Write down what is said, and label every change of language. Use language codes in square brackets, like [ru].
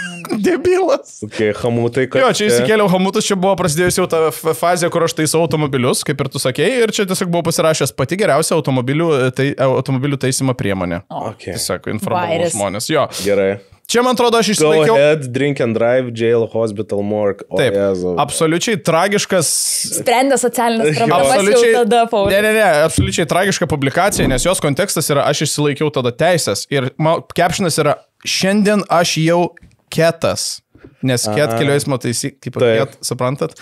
[lt] Debilas. Okay, hamutai, kad... Jo, čia įsikėliau hamutus, čia buvo prasidėjusi jau ta fazė, kur aš taisau automobilius, kaip ir tu sakėjai, ir čia tiesiog buvo pasirašęs pati geriausia automobilių taisymo priemonė. Okay. Tiesiog informavau žmonės. Jo. Gerai. Čia, man atrodo, aš išsilaikiau... [en] Go ahead, drink and drive, jail, hospital, morgue. Oh, [lt] taip, Jezu. Absoliučiai tragiškas... Sprendė socialinės problemas jau tada, Paulius. Ne, absoliučiai tragiška publikacija, nes jos kontekstas yra, aš išsilaikiau tada teisės. Ir caption'as yra, šiandien aš jau ketas. Nes ket kelių eismo taisy, kaip ir ket, suprantat?